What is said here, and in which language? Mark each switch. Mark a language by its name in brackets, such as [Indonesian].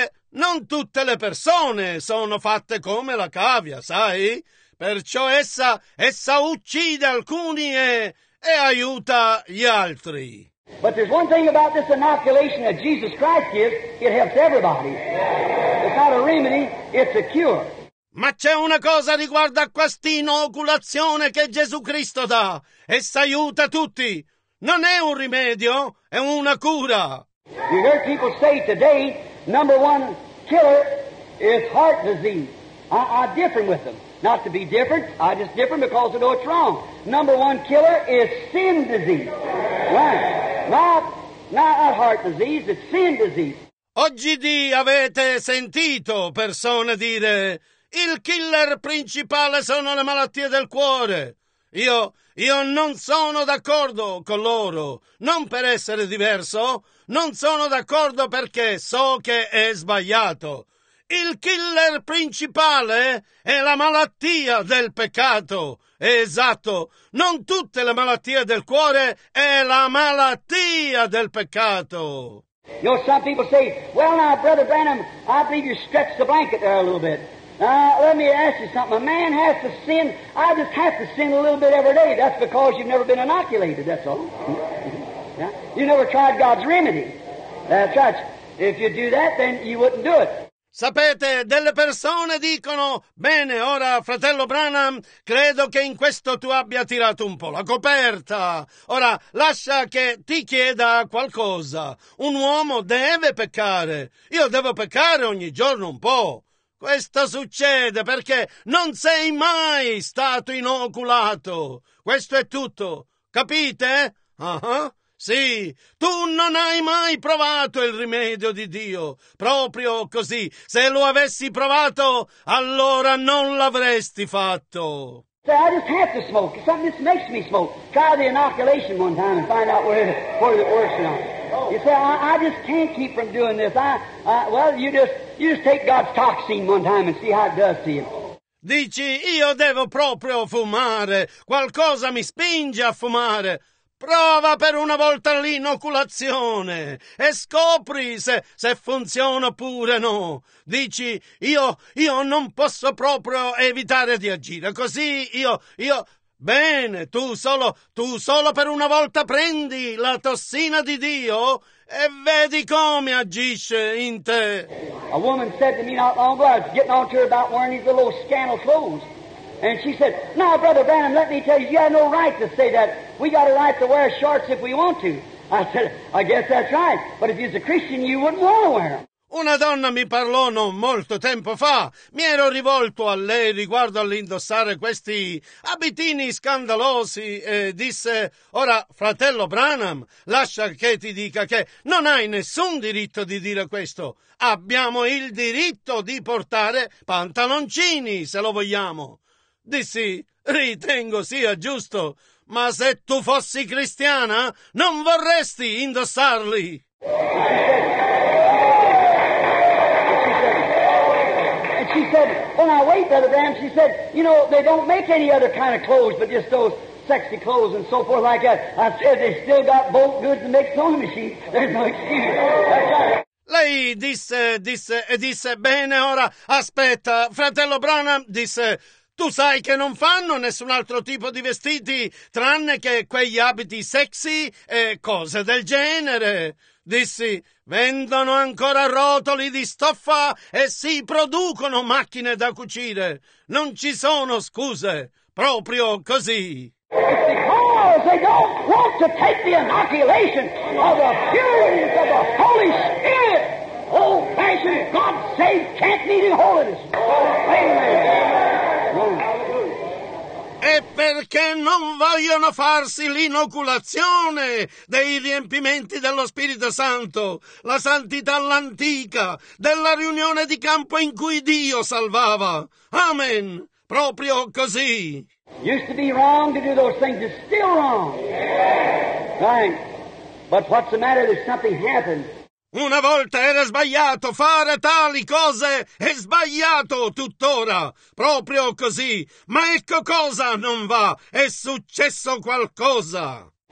[Italian] Non tutte le persone sono fatte come la cavia, sai, perciò essa uccide alcuni e aiuta gli altri. [English] But there's one thing about this inoculation that Jesus Christ gives, it helps everybody. It's not a remedy, it's a cure. [Italian] Ma c'è una cosa riguardo a quest'inoculazione che Gesù Cristo dà. Essa aiuta tutti. Non è un rimedio, è una cura. [English] You hear people say today, number one killer is heart disease. I differ with them. Not to be different, I just differ because I know it's wrong. Number one killer is sin disease. Right. Not a heart disease, it's sin disease. [Italian] Oggi di avete sentito persone dire il killer principale sono le malattie del cuore. Io non sono d'accordo con loro, non per essere diverso, non sono d'accordo perché so che è sbagliato. Il killer principale è la malattia del peccato. È esatto, non tutte le malattie del cuore è la malattia del peccato. [English] You know, some people say, well now, Brother Branham, I believe you stretched the blanket there a little bit. Let me ask you something. A man has to sin. I just have to sin a little bit every day. That's because you've never been inoculated, that's all. Yeah? You never tried God's remedy. That's right. If you do that, then you wouldn't do it. [Italian] Sapete, delle persone dicono, bene, ora, fratello Branham, credo che in questo tu abbia tirato un po' la coperta. Ora, lascia che ti chieda qualcosa. Un uomo deve peccare. Io devo peccare ogni giorno un po'. Questo succede perché non sei mai stato inoculato. Questo è tutto. Capite? Sì, tu non hai mai provato il rimedio di Dio, proprio così. Se lo avessi provato, allora non l'avresti fatto. [English] Say, I just have to smoke. Something just makes me smoke. Try the inoculation one time and find out where it works now. You say, I just can't keep from doing this. You just take God's toxine one time and see how it does to you. [Italian] Dici, io devo proprio fumare. Qualcosa mi spinge a fumare. Prova per una volta l'inoculazione e scopri se funziona oppure no. Dici, io non posso proprio evitare di agire, così io Bene, tu solo per una volta prendi la tossina di Dio e vedi come agisce in te. [English] A woman said to me not long ago, I was getting on to her about wearing these little scandal clothes. And she said, "Now, Brother Branham, let me tell you, you have no right to say that. We got a right to wear shorts if we want to." I said, "I guess that's right. But if you're a Christian, you wouldn't want to wear them." [Italian] Una donna mi parlò non molto tempo fa. Mi ero rivolto a lei riguardo all'indossare questi abitini scandalosi e disse: "Ora, fratello Branham, lascia che ti dica che non hai nessun diritto di dire questo. Abbiamo il diritto di portare pantaloncini, se lo vogliamo." Dissi: "Ritengo sia giusto, ma se tu fossi cristiana, non vorresti indossarli." [English] She said, "Oh, now wait, Brother Graham." She said, "You know, they don't make any other kind of clothes but just those sexy clothes and so forth like that. I said, they still got both goods to make sewing machines. There's no excuse." [Italian] Lei disse, "Bene, ora, aspetta, fratello Branham," disse, "tu sai che non fanno nessun altro tipo di vestiti tranne che quegli abiti sexy e cose del genere." Dissi: "Vendono ancora rotoli di stoffa e si producono macchine da cucire. Non ci sono scuse, proprio così." [English] It's because they don't want to take the inoculation of the purity of the Holy Spirit. Old fashioned, God saved, can't need in holiness. Oh, amen. [Italian] E perché non vogliono farsi l'inoculazione dei riempimenti dello Spirito Santo, la santità all'antica, della riunione di campo in cui Dio salvava. Amen. Proprio così. [English] Used to be wrong to do those things. It's still wrong. Right. But what's the matter? There's something happened. [Italian] Una volta era sbagliato fare tali cose, è sbagliato tuttora, proprio così. Ma ecco cosa non va, è successo qualcosa.